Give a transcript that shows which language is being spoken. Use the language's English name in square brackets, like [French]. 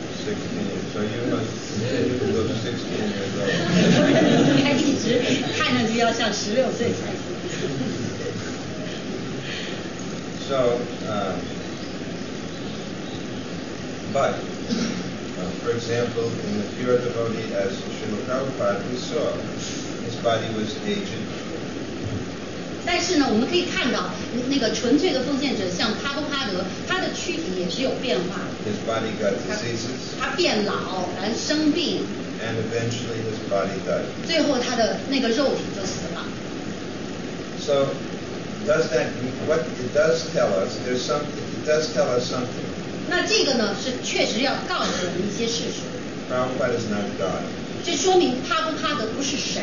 [English] 16, so you must continue to look 16 years old. [Chinese] 他一直看上去要像16岁才行。 [English] So, but. For example, in the pure devotee as Srila Prabhupada, we saw his body was aged. [Chinese] 但是呢，我们可以看到那个纯粹的奉献者，像帕多帕德，他的躯体也是有变化。 [English] His body got diseases. [Chinese] 他变老，然后生病。 [English] And eventually his body died. [Chinese] 最后他的那个肉体就死了。 [English] So, does that what it does tell us? There's something. It does tell us something. [Chinese] 那这个呢，是确实要告诉我们一些事实。 [English] Prabhupada is not God. [Chinese] 这说明帕布帕德不是神。